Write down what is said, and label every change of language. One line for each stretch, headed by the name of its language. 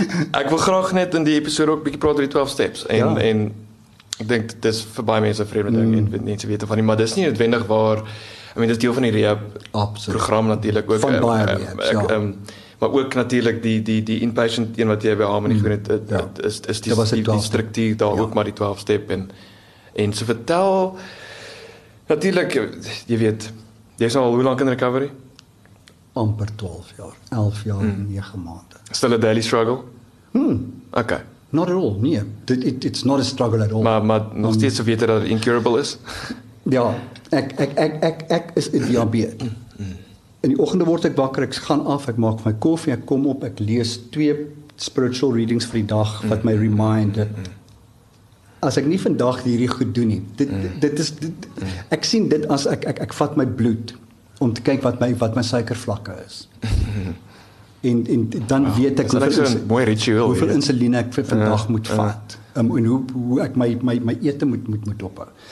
Afrikaans: Ek wil graag net in die episode ook bietjie praat oor die 12 steps. En ek dink dit is vir baie mense vreemde ding. En mense weet van nie. Maar dit is nie noodwendig waar, ek meen, dit is deel van die rehab program natuurlijk ook. Van baie rehab, maar ook natuurlijk die inpatient een wat jy by Harmony groen het, is die structuur daar ook maar die 12 step. En so vertel, natuurlijk, jy weet, jy is nou al hoe lang in recovery? Amper 12 jaar, 11 jaar en 9 maande.
English: Still a daily struggle? Okay. Not at all, nee. It's not a struggle at all.
Afrikaans: Maar nog steeds so weet jy dat it incurable is? Ja, ek is in diabetes. In die oggende word ek wakker, ek gaan af, ek maak my koffie, ek kom op, ek lees 2 spiritual readings vir die dag wat my remind dat as ek nie vandag hierdie goed doen nie, dit is ek sien dit as ek vat my bloed om te kyk wat my suikervlakke is. En dan wow, weet ek hoeveel insuline ek vandag moet vat en hoe ek my ete moet ophou.